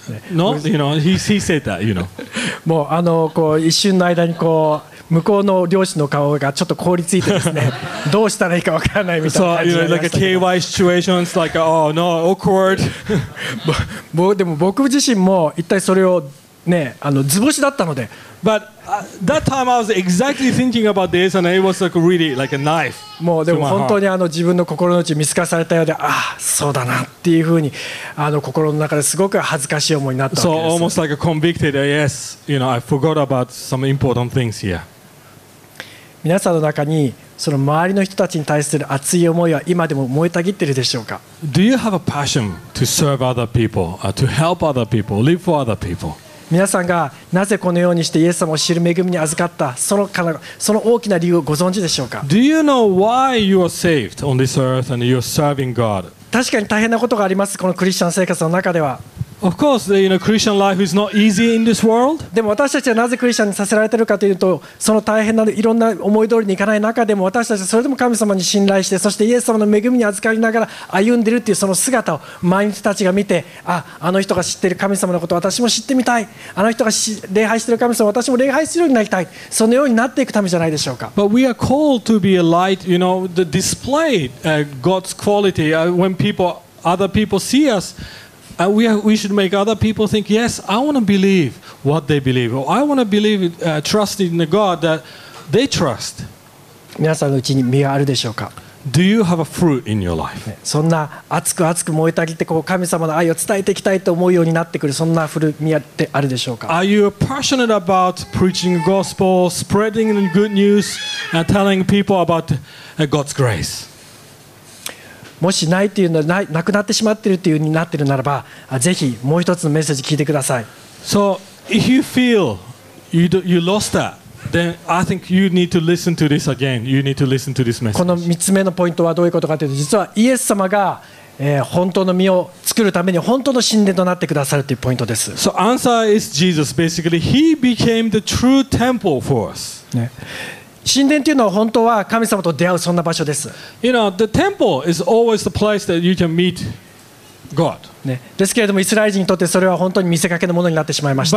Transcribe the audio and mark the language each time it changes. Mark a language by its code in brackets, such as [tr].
[en] No, you know, he said that, you know. [ja] もうあのこう一瞬の間にこう向こうの漁師の顔がちょっと凍りついてですね。どうしたらいいか分からないみたいな感じになりましたけど。 [en] So, you know, like a KY situation, it's like, oh no, awkward. [ja] でも僕自身も一体それをね、あの図星だったので。 [en] But that time I was exactly thinking about this and it was like really like a knife. [ja] もうでも本当にあの自分の心の内見透かされたようで、ああ、そうだなっていうふうにあの心の中ですごく恥ずかしい思いになったわけです。 [en] So almost like a convicted, yes, you know, I forgot about some important things here. [ja] 皆さんの中にその周りの人たちに対する熱い思いは今でも燃えたぎっているでしょうか。 [en] Do you have a passion to serve other people, to help other people, live for other people? [ja] 皆さんがなぜこのようにしてイエス様を知る恵みに預かったその大きな理由をご存知でしょうか。 [en] Do you know why you are saved on this earth and you're serving God? [ja] 確かに大変なことがあります。このクリスチャン生活の中では。 [en] Of course, you know, Christian life is not easy in this world. [ja] でも私たちはなぜクリスチャンにさせられているかというと、その大変ないろんな思い通りにいかない中でも私たちはそれでも神様に信頼して、そしてイエス様の恵みに預かりながら歩んでいるというその姿を毎日たちが見て、あ、あの人が知っている神様のことを私も知ってみたい。あの人が礼拝している神様を私も礼拝するようになりたい。そのようになっていくためじゃないでしょうか。 [en] But we are called to be a light, you know, to display God's quality when other people see us. We should make other people think, yes, I want to believe what they believe. Or I want to believe, trust in the God that they trust. [ja] 皆さんのうちに実があるでしょうか? [en] Do you have a fruit in your life? [ja] そんな熱く熱く燃えたぎってこう神様の愛を伝えていきたいと思うようになってくるそんな実ってあるでしょうか? [en] Are you passionate about preaching the gospel, spreading the good news, and telling people about God's grace? [ja] もしないというのはなくなってしまっているというふうになっているならば、ぜひもう一つのメッセージ聞いてください。 [en] So if you feel you lost that, then I think you need to listen to this again. You need to listen to this message. [ja] この3つ目のポイントはどういうことかというと、実はイエス様が本当の実を作るために本当の神殿となってくださるというポイントです。 [en] So answer is Jesus. Basically, he became the true temple for us. [ja] 神殿というのは本当は神様と出会うそんな場所です。 [en] You know, the temple is always the place that you can meet God.、 [ja] ね、ですけれども、イスラエル人にとってそれは本当に見せかけのものになってしまいました。